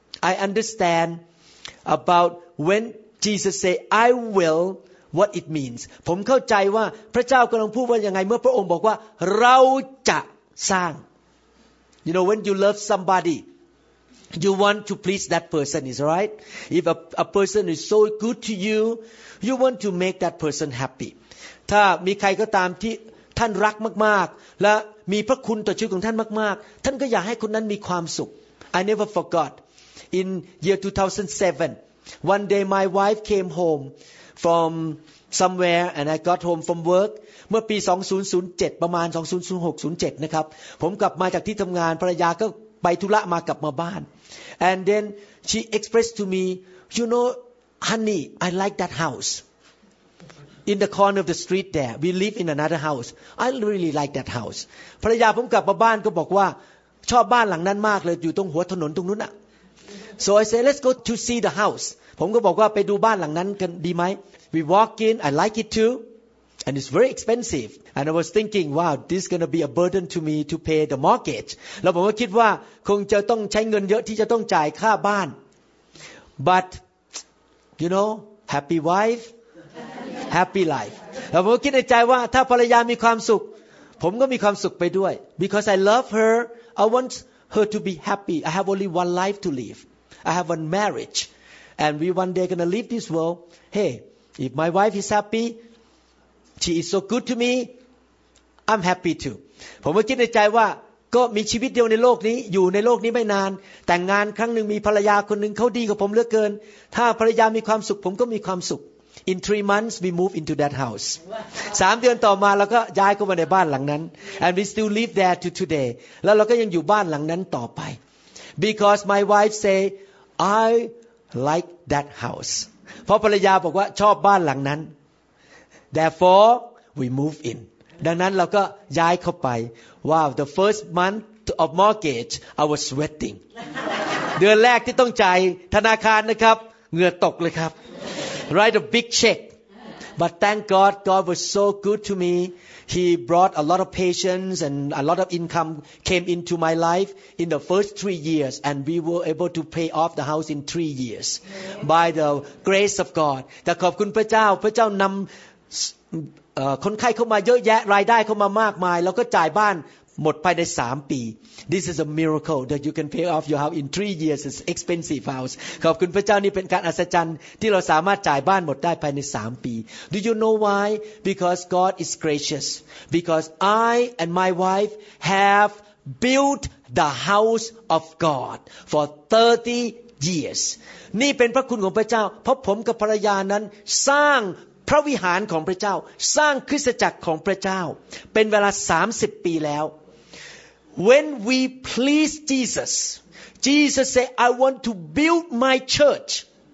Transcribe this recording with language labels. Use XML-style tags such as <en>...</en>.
<en>I understand about when Jesus say I will what it means</en> <th>ผมเข้าใจว่าพระเจ้ากำลังพูดว่ายังไงเมื่อพระองค์บอกว่าเราจะสร้าง</th> <en>You know when you love somebodyYou want to please that person, is right? If a person is so good to you, you want to make that person happy.</en> <th>ถ้ามีใครก็ตามที่ท่านรักมากๆและมีพระคุณต่อชีวิตของท่านมากๆท่านก็อยากให้คนนั้นมีความสุข</th> <en>I never forgot in year 2007, one day my wife came home from somewhere and I got home from work.</en> <th>เมื่อปี2007ประมาณ2006-07 นะครับผมกลับมาจากที่ทำงานภรรยาก็ไปธุระมากลับมาบ้าน</th> <en>and then she expressed to me you know honey I like that house in the corner of the street there we live in another house I really like that house</en> <th>ภรรยาผมกลับมาบ้านก็บอกว่าชอบบ้านหลังนั้นมากเลยอยู่ตรงหัวถนนตรงนู้นอะ</th> <en>so I said let's go to see the house</en> <th>ผมก็บอกว่าไปดูบ้านหลังนั้นกันดีไหม</th> <en>we walk in I like it tooAnd it's very expensive. And I was thinking, wow, this is going to be a burden to me to pay the mortgage.</en> <th>แล้วผมก็คิดว่าคงจะต้องใช้เงินเยอะที่จะต้องจ่ายค่าบ้าน</th> <en>But, you know, happy wife, happy life.</en> <th>แล้วผมก็คิดในใจว่าถ้าภรรยามีความสุขผมก็มีความสุขไปด้วย</th> <en>Because I love her, I want her to be happy. I have only one life to live. I have one marriage. And we one day going to leave this world. Hey, if my wife is happyShe is so good to me. I'm happy too.</en> <th>ผมก็คิดในใจว่าก็มีชีวิตเดียวในโลกนี้อยู่ในโลกนี้ไม่นานแต่งงานครั้งหนึ่งมีภรรยาคนหนึ่งเขาดีกับผมเหลือเกินถ้าภรรยามีความสุขผมก็มีความสุข</th> <en>In 3 months we move into that house.</en> <th>3 เดือนต่อมาเราก็ย้ายเข้ามาในบ้านหลังนั้น</th> <en>And we still live there to today.</en> <th>แล้วเราก็ยังอยู่บ้านหลังนั้นต่อไป</th> <en>Because my wife say I like that house.</en> <th>เพราะภรรยาบอกว่าชอบบ้านหลังนั้น</th> <en>Therefore, we move in.</en> <th>ดังนั้นเราก็ย้ายเข้าไป</th> <en>Wow, the first month of mortgage, I was sweating.</en> <th>เดือนแรกที่ต้องจ่ายธนาคารนะครับเหงื่อตกเลยครับ</th> <en>Write a big check. But thank God, God was so good to me. He brought a lot of patience and a lot of income came into my life in the first 3 years, and we were able to pay off the house in 3 years by the grace of God.</en> <th>แต่ขอบคุณพระเจ้าพระเจ้านำคนไข้เข้ามาเยอะแยะรายได้เข้ามามากมายแล้วก็จ่ายบ้านหมดภายใน3 ปี</th> <en>This is a miracle that you can pay off your house in 3 years. It's expensive house.</en> <th>ขอบคุณพระเจ้านี่เป็นการอัศจรรย์ที่เราสามารถจ่ายบ้านหมดได้ภายใน3 ปี</th> <en>Do you know why? Because God is gracious. Because I and my wife have built the house of God for 30 years.</en> <th>นี่เป็นพระคุณของพระเจ้าเพราะผมกับภรรยานั้นสร้างพระวิหารของพระเจ้าสร้างคริสตจักรของพระเจ้าเป็นเวลา30 ปีแล้ว</th> <en>When we please Jesus, Jesus said, I want to build my church.</en>